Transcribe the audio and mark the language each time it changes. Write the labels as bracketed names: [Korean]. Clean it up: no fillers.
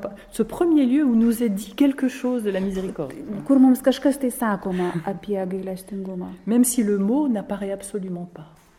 [French] Ce premier lieu où nous est dit quelque chose de la miséricorde. [Lithuanian] Kur mums kažkas tai sakoma apie gailestingumą. [French] Même si le mot n'apparaît absolument pas.